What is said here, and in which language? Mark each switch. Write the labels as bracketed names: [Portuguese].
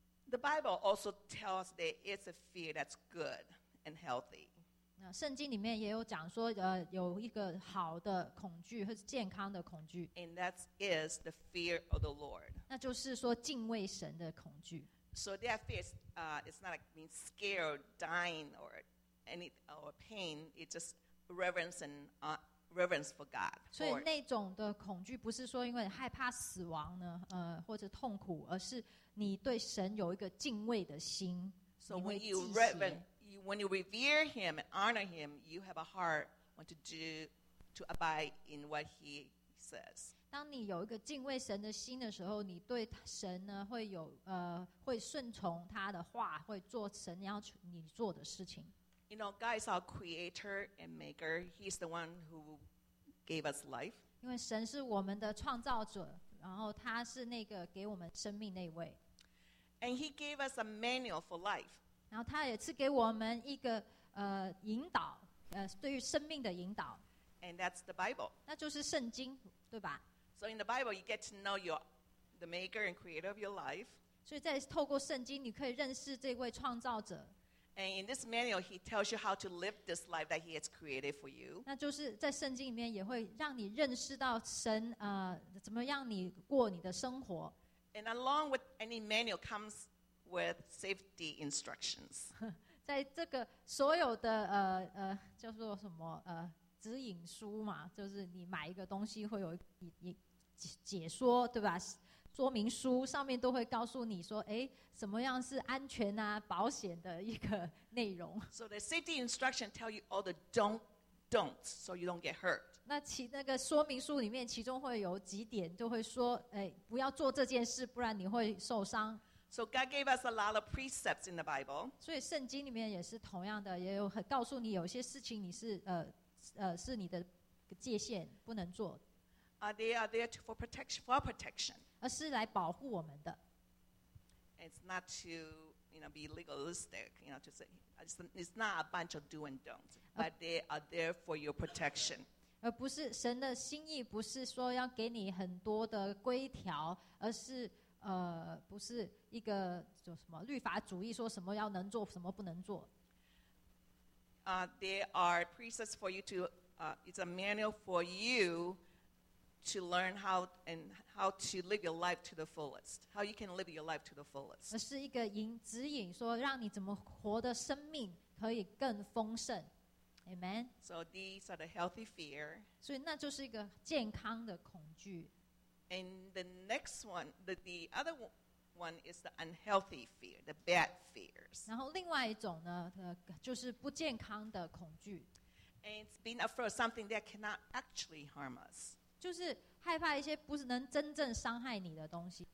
[English] The Bible also tells that it's a fear that's good and healthy. [Chinese] 那圣经里面也有讲说，有一个好的恐惧或是健康的恐惧。 [English] And that is the fear of the Lord. [Chinese] 那就是说敬畏神的恐惧。 [English] So that fear is not like being scared, dying, or any or pain. It's just reverence and reverence for God. [Chinese] 所以那种的恐惧不是说因为害怕死亡呢，或者痛苦，而是你对神有一个敬畏的心。 [English] So when you when you revere Him and honor Him, you have a heart want to do to abide in what He says. [Chinese] 当你有一个敬畏神的心的时候，你对神呢会有会顺从他的话，会做神要求你做的事情。 [English] You know, God is our creator and maker. He's the one who gave us life. [Chinese] 因为神是我们的创造者，然后他是那个给我们生命那位。 [English] And He gave us a manual for life. [Chinese] 然后他也赐给我们一个引导，对于生命的引导。 [English] And that's the Bible. [Chinese] 那就是圣经，对吧？ [English] So in the Bible, you get to know the maker and creator of your life. [Chinese] 所以在透过圣经，你可以认识这位创造者。 [English] And in this manual, he tells you how to live this life that he has created for you. [Chinese] 那就是在圣经里面也会让你认识到神怎么让你过你的生活。 [English] And along with any manual comes with safety instructions. [Chinese] 在这个所有的叫做什么指引书嘛，就是你买一个东西会有解说，对吧？说明书上面都会告诉你说，哎，什么样是安全啊、保险的一个内容。 [English] So the safety instruction tell you all the don'ts, so you don't get hurt. [Chinese] 那个说明书里面，其中会有几点就会说，哎，不要做这件事，不然你会受伤。 [English] So God gave us a lot of precepts in the Bible. [Chinese] 所以圣经里面也是同样的，也有很告诉你有些事情你是是你的界限不能做。 [English] They are there for protection, for protection. [Chinese] 而是来保护我们的。 [English] It's not to, you know, be legalistic, you know, to say it's not a bunch of do and don'ts, but they are there for your protection. [Chinese] 而不是神的心意，不是说要给你很多的规条，而是不是一个就什么律法主义，说什么要能做，什么不能做。 [English] There are precepts for you to. It's a manual for you to learn how to live your life to the fullest. How you can live your life to the fullest. [Chinese] 是一个指引，说让你怎么活的生命可以更丰盛。 [English] Amen. So these are the healthy fear. [Chinese] 所以那就是一个健康的恐惧。 [English] And the next one, the other one. One is the unhealthy fear, the bad fears. [Chinese] 然后另外一种呢，就是不健康的恐惧。 [English] And being afraid of something that cannot actually harm us. [Chinese] 就是害怕一些不是能真正伤害你的东西。